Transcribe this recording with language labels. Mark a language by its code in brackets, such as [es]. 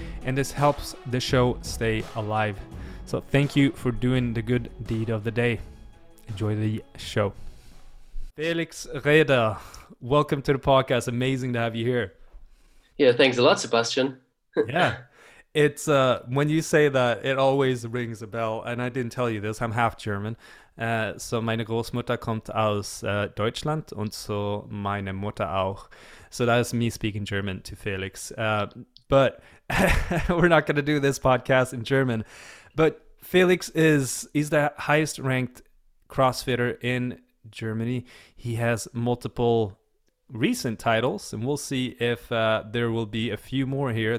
[en] And this helps the show stay alive. So thank you for doing the good deed of the day. Enjoy the show. Felix Rehder, welcome to the podcast. Amazing to have you here. Yeah, thanks a lot, Sebastian. Yeah. It's when you say that, it always rings a bell. And I didn't tell you this, I'm half German. [de] So meine Großmutter kommt aus Deutschland und so meine Mutter auch. [en] So that is me speaking German to Felix. But we're not going to do this podcast in German. But Felix is the highest ranked CrossFitter in Germany. He has multiple recent titles, and we'll see if there will be a few more here.